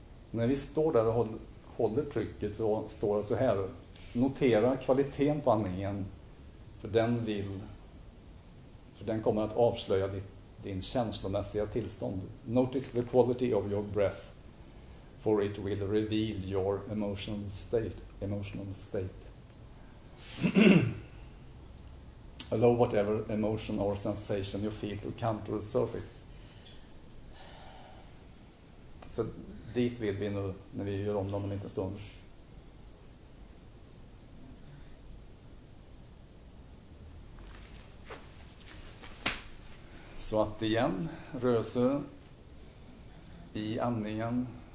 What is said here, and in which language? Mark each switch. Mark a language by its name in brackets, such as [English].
[Swedish] När vi står där och håller trycket så står det så här. Notera kvaliteten på andningen. För den kommer att avslöja din känslomässiga tillstånd. [English] Notice the quality of your breath. For it will reveal your emotional state. Allow whatever emotion or sensation you feel to come to the surface. [Swedish] Så dit vill vi nu när vi gör om dem en liten stund. Så att igen, rörelse i andningen.